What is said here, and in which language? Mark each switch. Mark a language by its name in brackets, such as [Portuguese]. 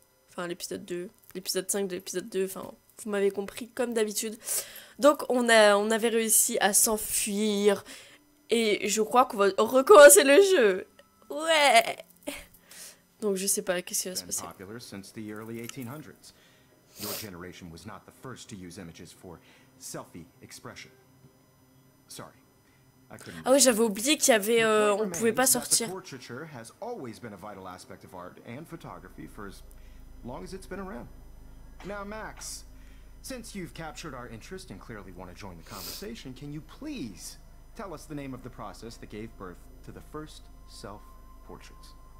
[French] Enfin l'épisode 2, l'épisode 5 de l'épisode 2, enfin vous m'avez compris comme d'habitude. Donc on avait réussi à s'enfuir et je crois qu'on va recommencer le jeu. Ouais. Donc je sais pas qu'est-ce qui va se passer. [English] Popular since the early 1800s. Your generation was not the first to use images for selfie expression. Sorry. [French] Ah oui, j'avais oublié qu'il y avait on pouvait pas sortir. [English] Portraiture has always been a vital aspect of art and photography for as long as it's been around. Now Max, since you've captured our interest and clearly want to join the conversation, can you please tell us the name of the process that gave birth to the first self portraits?